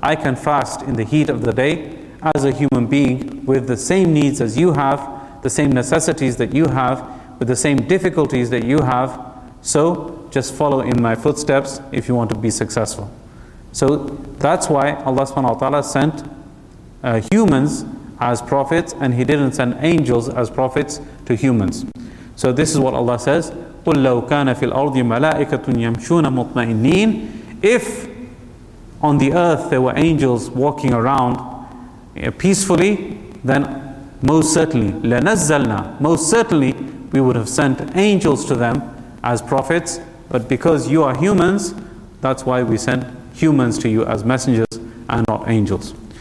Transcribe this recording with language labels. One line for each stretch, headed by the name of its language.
English: I can fast in the heat of the day as a human being with the same needs as you have, the same necessities that you have, with the same difficulties that you have. So just follow in my footsteps if you want to be successful. So that's why Allah subhanahu wa ta'ala sent humans as prophets, and He didn't send angels as prophets to humans. So this is what Allah says,
Arabic: قُلْ لَوْ كَانَ فِي الْأَرْضِ مَلَائِكَةٌ يَمْشُونَ مُطْمَئِنِّينَ.
English: If on the earth there were angels walking around peacefully, then most certainly, لَنَزَّلْنَا, most certainly we would have sent angels to them as prophets. But because you are humans, that's why we sent humans to you as messengers and not angels.